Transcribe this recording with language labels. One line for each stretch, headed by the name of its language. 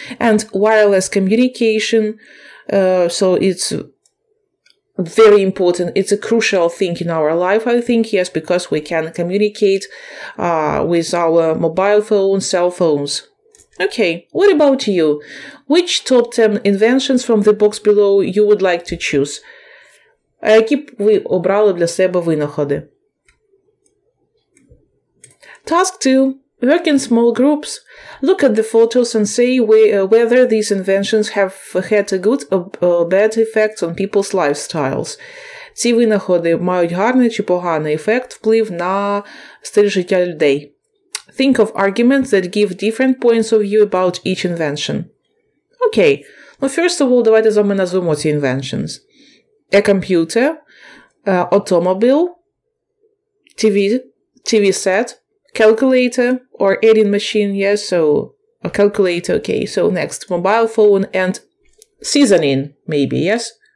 English: And wireless communication, so it's very important. It's a crucial thing in our life, I think, yes, because we can communicate with our mobile phones, cell phones. Okay, what about you? Which top 10 inventions from the box below you would like to choose?
Ukrainian: Які б ви обрали для себе винаходи?
English: Task 2. Work in small groups. Look at the photos and say whether these inventions have had a good or bad effect on people's lifestyles.
Ukrainian: Ці винаходи мають гарний чи поганий ефект, вплив на стиль життя людей.
English: Think of arguments that give different points of view about each invention. Okay, well, first of all,
Ukrainian: давайте з вами назвемо ці
English: inventions. A computer, automobile, TV set, calculator or editing machine, yes, so a calculator, okay, so next, mobile phone and seasoning, maybe, yes?